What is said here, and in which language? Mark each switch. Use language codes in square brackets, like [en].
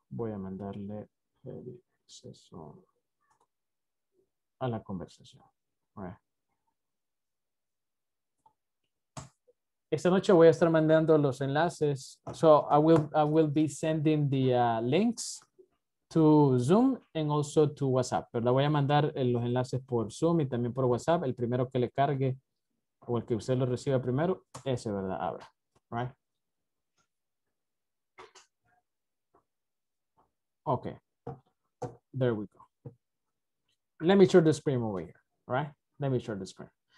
[es] Voy a mandarle el acceso a la conversación. Right. Esta noche voy a estar mandando los enlaces. [en] So I will be sending the links to Zoom and also to WhatsApp. [es] Pero voy a mandar los enlaces por Zoom y también por WhatsApp. El primero que le cargue o el que usted lo reciba primero, ese, ¿verdad? Abra. Right. [en] Okay. There we go. Let me share the screen over here. Right. Let me share the screen.